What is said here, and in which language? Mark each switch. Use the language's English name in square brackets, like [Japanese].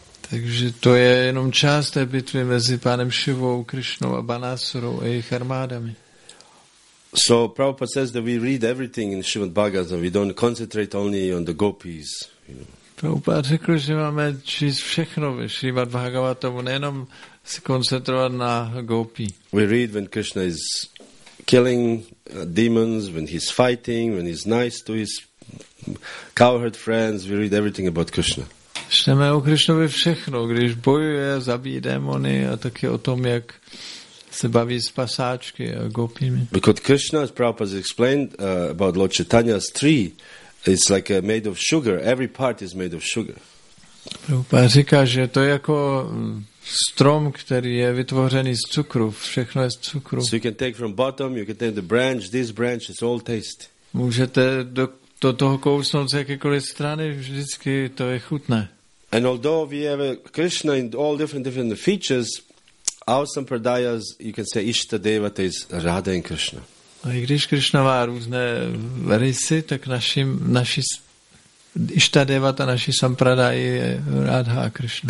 [Czech] Takže to je jenom část té bitvy mezi pánem Šivou, Krišnou a Banasurou a jejich armádami. [English] So Prabhupada says that we read everything in Srimad Bhagavatam, we don't concentrate only on the gopis, you know. [Czech] Prabhupada řekl, že máme číst všechno ve Srimad Bhagavatamu, nejenom se koncentrovat na gopi. [English] We read when Krishna is killing demons, when he's fighting, when he's nice to his cowherd friends, we read everything about Krishna. [Czech] Čteme o Krišnovi všechno, když bojuje, zabíjí démony a taky o tom, jak se baví s pasáčky a gopími. [English] Because Krishna, as Prabhupada explained about Lord Chaitanya's tree, it's like made of sugar. Every part is made of sugar. [Czech] Prabhupada říká, že to je jako strom, který je vytvořený z cukru. Všechno je z cukru. [English] So you can take from bottom, you can take the branch, this branch, it's all taste. [Czech] Můžete do toho kousnout z jakékoliv strany, vždycky to je chutné. [English] And although we have Krishna in all different features, Awesome Pradayas, you can say Ishta Devata is Radha and Krishna. [Czech] A i když Krishna má různé rysy, tak naši Ishta Devata, naši Sampradaya je Radha a Krishna.